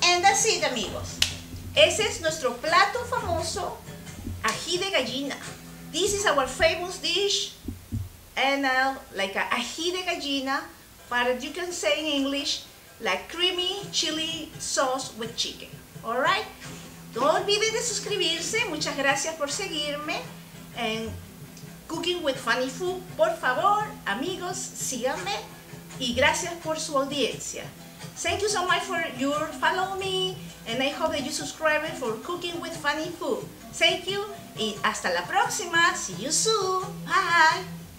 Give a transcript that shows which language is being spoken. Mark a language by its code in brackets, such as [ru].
[es] Así, amigos, ese es nuestro plato famoso, ají de gallina. [en] This is our famous dish, and like a ají de gallina, but you can say in English, like creamy chili sauce with chicken. [es] Alright, no olviden de suscribirse. Muchas gracias por seguirme, and [en] Cooking with Funny Food. [es] Por favor, amigos, síganme y gracias por su audiencia. [en] Thank you so much for your follow me and I hope that you subscribe for Cooking with Funny Food. Thank you [es] y hasta la próxima. [en] See you soon. Bye.